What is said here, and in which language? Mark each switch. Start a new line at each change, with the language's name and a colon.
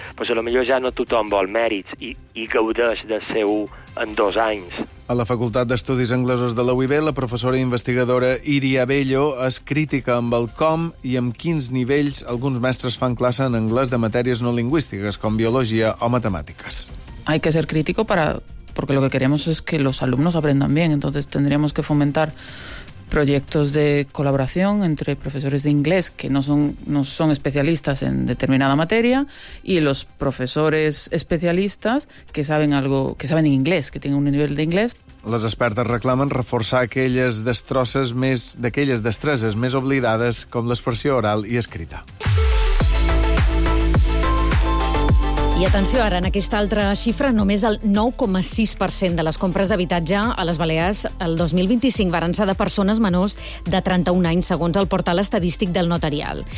Catalan: Però a lo millor ja no tothom vol mèrits i gaudeix de C1 en 2 anys. A la Facultat d'Estudis Anglesos de la UIB, la professora i investigadora Iria Bello es critica amb el com i amb quins nivells alguns mestres fan classe en anglès de matèries no lingüístiques, com biologia o matemàtiques.
Spanish: Hay que ser crítico para... porque lo que queremos es que los alumnos aprendan bien, entonces tendríamos que fomentar proyectos de colaboración entre profesores de inglés que no son especialistas en determinada materia y los profesores especialistas que saben algo, que saben inglés, que tienen un nivel de inglés.
Catalan: Les expertes reclamen reforçar aquelles destreses més oblidades com l'expressió oral i escrita. I atenció, ara, en aquesta altra xifra, només el 9,6% de les compres d'habitatge a les Balears el 2025 varen ser de persones menors de 31 anys, segons el portal estadístic del notarial.